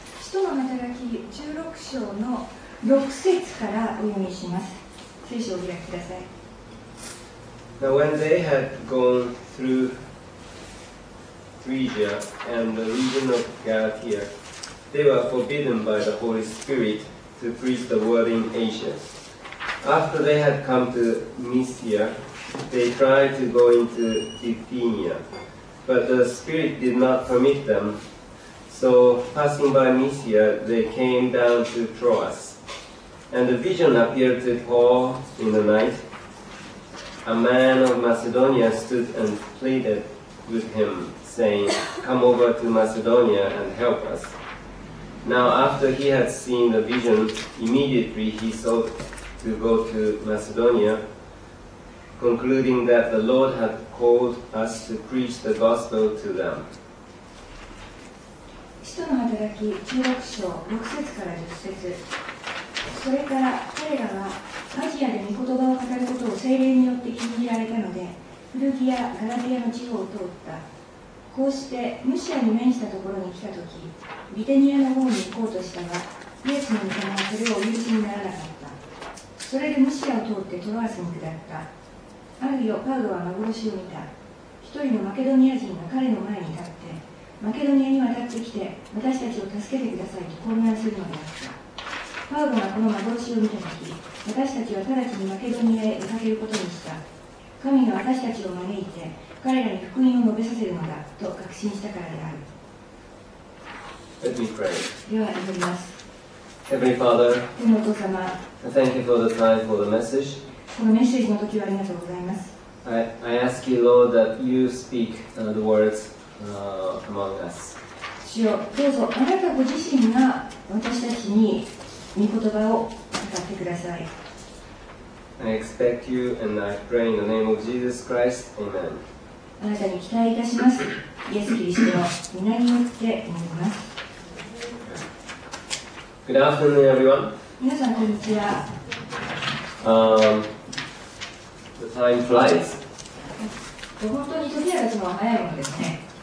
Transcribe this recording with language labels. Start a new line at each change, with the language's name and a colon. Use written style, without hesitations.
Japanese: 使徒の働き16章の6節からお読みします。聖書を開きください。
English: Now when they had gone through Phrygia and the region of Galatia, they were forbidden by the Holy Spirit to preach the word in Asia. After they had come to Mysia, they tried to go into Bithynia, but the Spirit did not permit them. So passing by Mysia, they came down to Troas. And a vision appeared to Paul in the night. A man of Macedonia stood and pleaded with him, saying, Come over to Macedonia and help us. Now after he had seen the vision, immediately he sought to go to Macedonia, concluding that the Lord had called us to preach the gospel to them.
Japanese: 使徒の働き16章6節から10節。それから彼らはアジアで御言葉を語ることを聖霊によって禁じられたので、フルギア、ガラティアの地方を通った。こうしてムシアに面したところに来たとき、ビテニアの方に行こうとしたが、イエスの御霊はそれをお許しにならなかった。それでムシアを通ってトロアスに下った。ある夜、パウロは幻を見た。一人のマケドニア人が彼の前に立って、マケドニアに渡ってきて、私たちを助けてくださいと懇願するのであった。パウロがこの幻を見たとき、私たちは直ちにマケドニアへ出かけることにした。神が私たちを招いて、彼らに福音を述べさせるのだと確信したからである。
English: Let me pray.
Japanese: では祈ります。
English: Heavenly Father,
Japanese: 天のお父様、
English: Thank you for the time for the message.
Japanese: このメッセージの時はありがとうございます。
English: I ask you, Lord, that you speak the words among us.
Japanese: 主よ、どうぞあなたご自身が私たちに御言葉を語ってください。
English: I expect you and I pray in the name of Jesus Christ. Amen.
Japanese: あなたに期待いたします。イエス・キリストの御名によって祈ります。
English: Good afternoon, everyone.
Japanese: 皆さん、こんにちは。
English: The time flies.
Japanese: 本当に時が経つのは早いものですね。